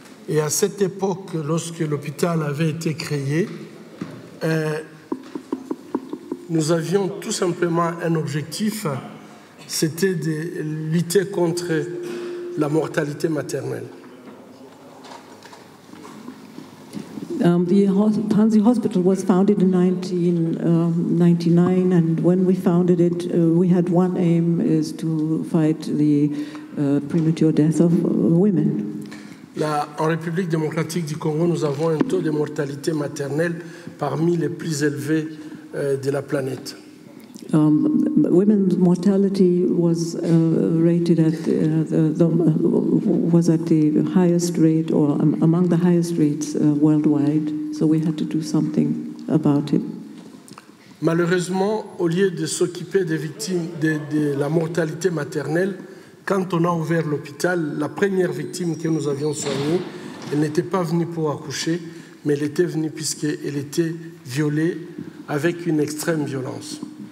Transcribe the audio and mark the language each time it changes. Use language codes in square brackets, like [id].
[fr] Et à cette époque, lorsque l'hôpital avait été créé, nous avions tout simplement un objectif, c'était de lutter contre la mortalité maternelle. [en] The Panzi Hospital was founded in 1999, and when we founded it, we had one aim, is to fight the premature death of women. [fr] Là, en République démocratique du Congo, nous avons un taux de mortalité maternelle parmi les plus élevés de la planète. [en] Women's mortality was rated at was at the highest rate or among the highest rates worldwide. So we had to do something about it. [fr] Malheureusement, au lieu de s'occuper des victimes de la mortalité maternelle, quand on a ouvert l'hôpital, la première victime que nous avions soignée, elle n'était pas venue pour accoucher, mais elle était venue puisqu'elle était violée avec une extrême violence.